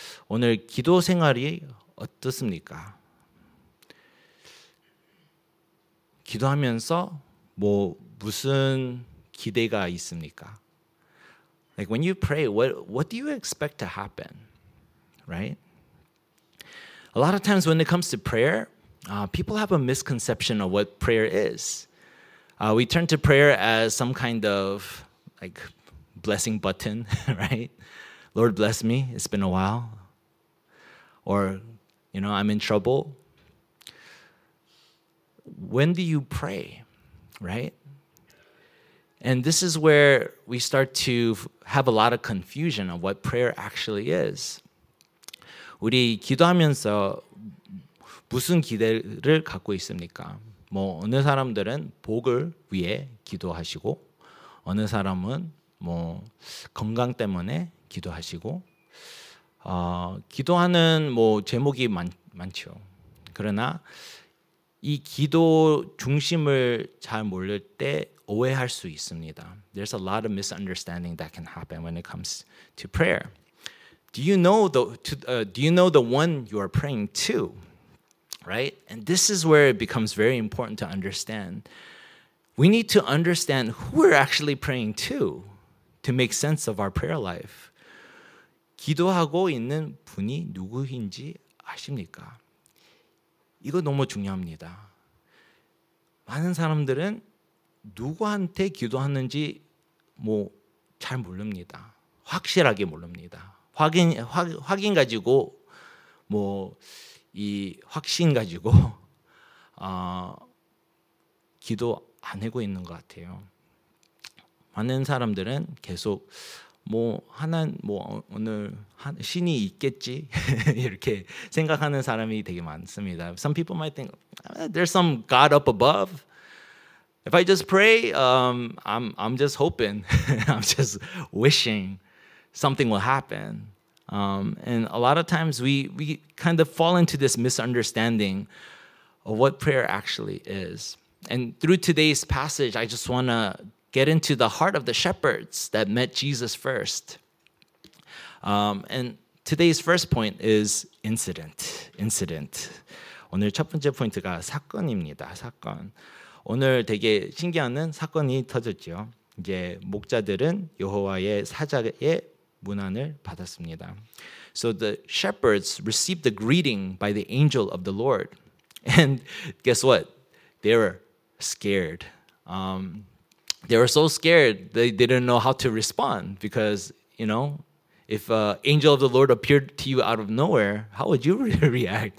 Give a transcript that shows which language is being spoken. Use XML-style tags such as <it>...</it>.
<ko>오늘 기도 생활이 어떻습니까? 기도하면서 뭐 무슨 기대가 있습니까?</ko> <en>Like when you pray, what do you expect to happen? Right? A lot of times when it comes to prayer, people have a misconception of what prayer is. We turn to prayer as some kind of like blessing button, right? Lord bless me, it's been a while. Or, you know, I'm in trouble. When do you pray, right? And this is where we start to have a lot of confusion of what prayer actually is.</en> <ko>우리 기도하면서 무슨 기대를 갖고 있습니까? 뭐 어느 사람들은 복을 위해 기도하시고 어느 사람은 뭐 건강 때문에 기도하시고 기도하는 뭐 제목이 많죠. 그러나 이 기도 중심을 잘 모를 때 오해할 수 있습니다.</ko> <en>There's a lot of misunderstanding that can happen when it comes to prayer. Do you know the one you are praying to? Right? And this is where it becomes very important to understand. We need to understand who we're actually praying to make sense of our prayer life.</en> <ko>기도하고 있는 분이 누구인지 아십니까? 이거 너무 중요합니다. 많은 사람들은 누구한테 기도하는지 뭐 잘 모릅니다. 확실하게 모릅니다. 확인 가지고 뭐 이 확신 가지고 기도 안 하고 있는 것 같아요. 많은 사람들은 계속 뭐 하나님 뭐 오늘 신이 있겠지 이렇게 생각하는 사람이 되게 많습니다.</ko> <en>Some people might think there's some God up above. If I just pray, I'm just hoping, I'm just wishing something will happen. And a lot of times we kind of fall into this misunderstanding of what prayer actually is. And through today's passage, I just want to get into the heart of the shepherds that met Jesus first. And today's first point is incident.</en> <ko>오늘 첫 번째 포인트가 사건입니다. 사건. 오늘 되게 신기한 사건이 터졌죠. 이제 목자들은 여호와의 사자의 문안을 받았습니다.</ko> <en>So the shepherds received the greeting by the angel of the Lord. And guess what? They were scared. They were so scared, they didn't know how to respond. Because, you know, if an angel of the Lord appeared to you out of nowhere, how would you react?</en>